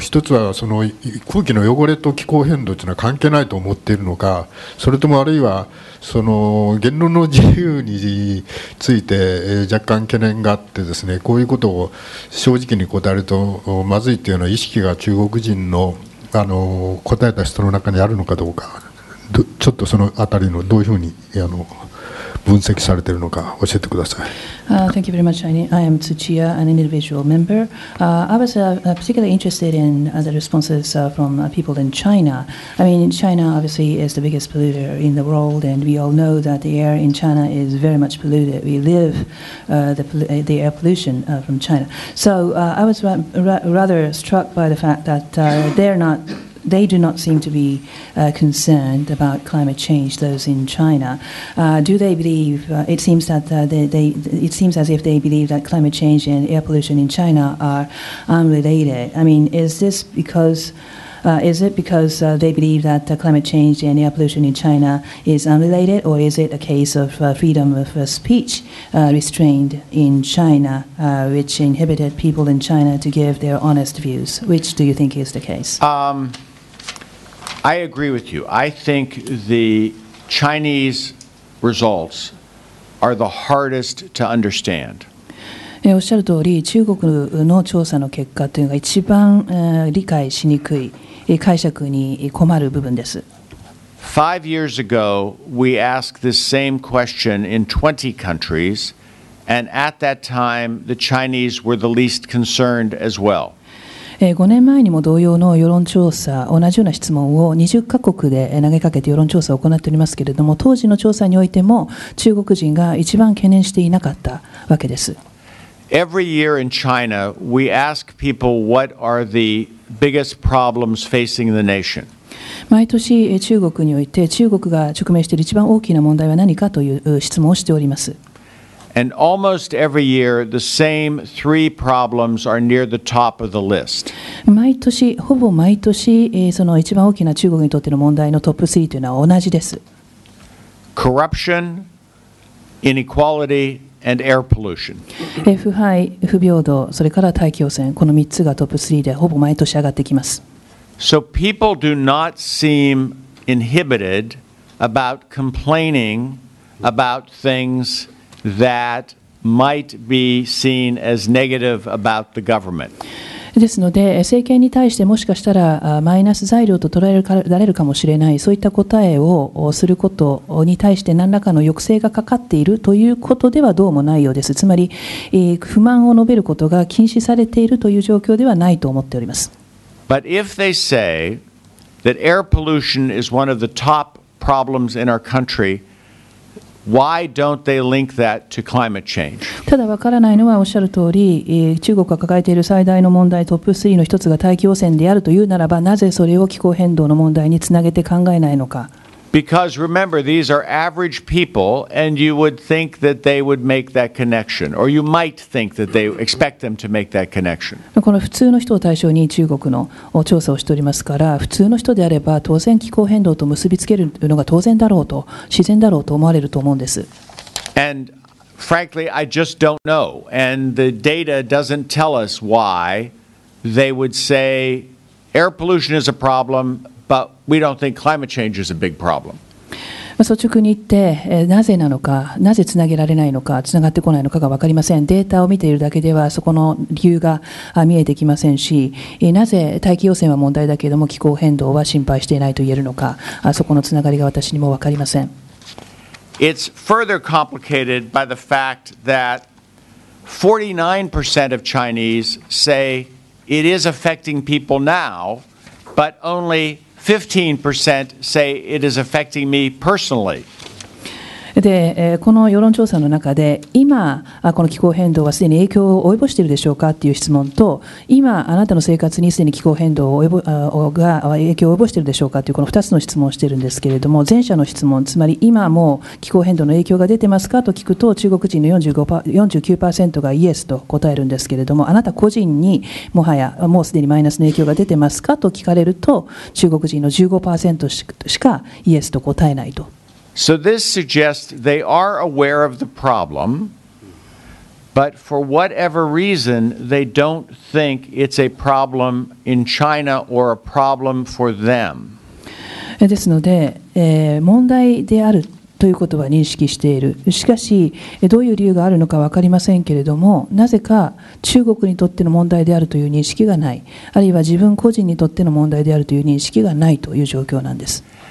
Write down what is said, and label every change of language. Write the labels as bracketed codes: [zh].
[ja] 一つはその空気の汚れと気候変動というのは関係ないと思っているのか、それともあるいはその言論の自由について若干懸念があってですね、こういうことを正直に答えるとまずいというような意識が中国人の答えた人の中にあるのかどうか、ちょっとそのあたりのどういうふうに分析されているのか教えてください。 [en] Thank you very much. I am Tsuchiya, an individual member. I was particularly interested in the responses from people in China. I mean, China obviously is the biggest polluter in the world, and we all know that the air in China is very much polluted. We live the air pollution from China. So I was rather struck by the fact that they do not seem to be concerned about climate change, those in China. Do they believe, it seems that it seems as if they believe that climate change and air pollution in China are unrelated. I mean, is it because they believe that climate change and air pollution in China is unrelated, or is it a case of freedom of speech restrained in China, which inhibited people in China to give their honest views? Which do you think is the case? I agree with you. I think the Chinese results are the hardest to understand. [ja] おっしゃる通り、中国の調査の結果というのが一番理解しにくい、解釈に困る部分です。 [en] 5 years ago, we asked this same question in 20 countries, and at that time, the Chinese were the least concerned as well. [ja] 5年前にも同様の世論調査、同じような質問を20カ国で投げかけて世論調査を行っておりますけれども、当時の調査においても中国人が一番懸念していなかったわけです。 [en] Every year in China, we ask people what are the biggest problems facing the nation. [ja] 毎年中国において中国が直面している一番大きな問題は何かという質問をしております。 [en] And almost every year, the same three problems are near the top of the list. [ja] 毎年、ほぼ毎年、その一番大きな中国にとっての問題のトップ3というのは同じです。 [en] Corruption, inequality, and air pollution. [ja] 腐敗、不平等、それから大気汚染、この3つがトップ3でほぼ毎年上がってきます。 [en] So people do not seem inhibited about complaining about thingsThat might be seen as negative about the government. [ja] ですので、政権に対してもしかしたらマイナス材料と捉えられるかもしれない、そういった答えをすることに対して何らかの抑制がかかっているということではどうもないようです。つまり、不満を述べることが禁止されているという状況ではないと思っております。 [en] But if they say that air pollution is one of the top problems in our country,Why don't they link that to climate change? [ja] ただ分からないのはおっしゃる通り、中国が抱えている最大の問題、トップ3の一つが大気汚染であるというならば、なぜそれを気候変動の問題につなげて考えないのか。 [en] Because remember, these are average people, and you would think that they would make that connection, or you might think that they expect them to make that connection. [ja] この普通の人を対象に中国の調査をしておりますから、普通の人であれば当然気候変動と結びつけるのが当然だろうと、自然だろうと思われると思うんです。 [en] And frankly, I just don't know. And the data doesn't tell us why they would say air pollution is a problem. But we don't think climate change is a big problem. [ja] 率直に言って、なぜなのか、なぜつなげられないのか、つながってこないのかが分かりません。データを見ているだけでは、そこの理由が見えてきませんし、なぜ大気汚染は問題だけれども、気候変動は心配していないと言えるのか、そこのつながりが私にも分かりません。 [en] It's further complicated by the fact that 49% of Chinese say it is affecting people now, but only 15% say it is affecting me personally. [ja] で、この世論調査の中で、今この気候変動はすでに影響を及ぼしているでしょうかっていう質問と、今あなたの生活にすでに気候変動が影響を及ぼしているでしょうかというこの2つの質問をしているんですけれども、前者の質問、つまり今も気候変動の影響が出てますかと聞くと、中国人の 49% がイエスと答えるんですけれども、あなた個人にもはやもうすでにマイナスの影響が出てますかと聞かれると、中国人の 15% しかイエスと答えないと。 [en] So this suggests they are aware of the problem, but for whatever reason, they don't think it's a problem in China or a problem for them. [ja] ですので、問題であるということは認識している。しかし、どういう理由があるのか分かりませんけれども、なぜか中国にとっての問題であるという認識がない。あるいは自分個人にとっての問題であるという認識がないという状況なんです。